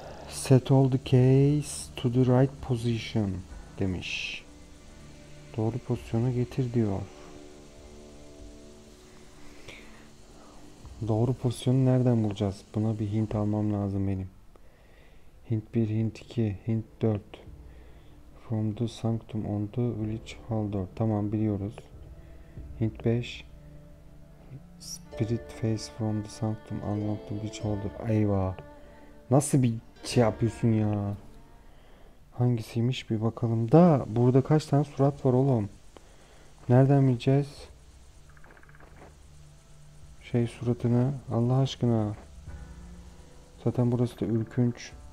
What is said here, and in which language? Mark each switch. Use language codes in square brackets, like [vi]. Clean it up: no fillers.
[en] Set all the keys to the right position demiş. [tr] Doğru pozisyona getir diyor. Doğru pozisyonu nereden bulacağız? Buna bir hint almam lazım benim. [en] Hint 1, hint 2, hint 4. From the sanctum on the village hall door. [tr] Tamam biliyoruz. [en] Hint 5. Spirit face from the sanctum on the village hall door. [tr] Eyvah. Nasıl bir şey yapıyorsun ya? Hangisiymiş bir bakalım. Da burada kaç tane surat var oğlum? Nereden bileceğiz? Şey suratını Allah aşkına. Zaten burası da ürkünç.